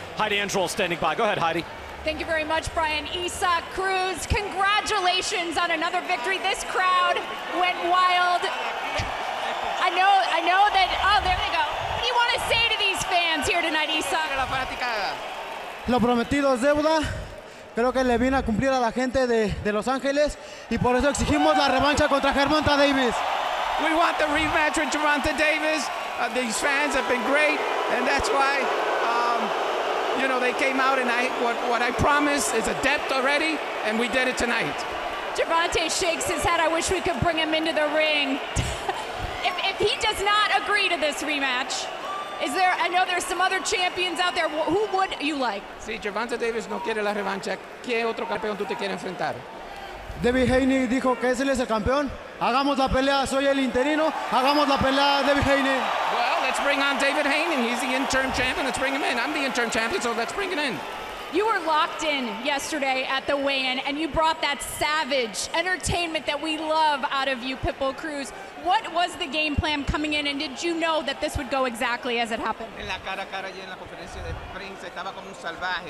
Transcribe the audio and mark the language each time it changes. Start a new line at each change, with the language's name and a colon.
English: Heidi Andrews standing by. Go ahead, Heidi. Thank you very much, Brian. Isak Cruz, congratulations on another victory. This crowd went wild. I know that, oh, there they go. What do you want to say to these fans here tonight, Isak?
Spanish: Lo prometido es deuda. Creo que le vino a cumplir a la gente de Los Ángeles y por eso exigimos la revancha contra Gervonta Davis.
English: We want the rematch with Gervonta Davis. These fans have been great, and that's why, you know, they came out, and what I promised is a depth already, and we did it tonight. Gervonta shakes his head. I wish we could bring him into the ring. if he does not agree to this rematch, I know there's some other champions out there. Who would you like?
Spanish: Si Gervonta Davis no quiere la revancha, ¿qué otro campeón tú te quieres enfrentar? Devin Haney dijo que él es el campeón. Hagamos la pelea, soy el interino. Hagamos la pelea, Devin Haney.
English: Well, let's bring on David Haney. He's the interim champion. Let's bring him in. I'm the interim champion, so let's bring him in. You were locked in yesterday at the weigh-in, and you brought that savage entertainment that we love out of you, Pitbull Cruz. What was the game plan coming in, and did you know that this would go exactly as it happened?
Spanish: En la cara a cara y en la conferencia de prensa estaba como un salvaje.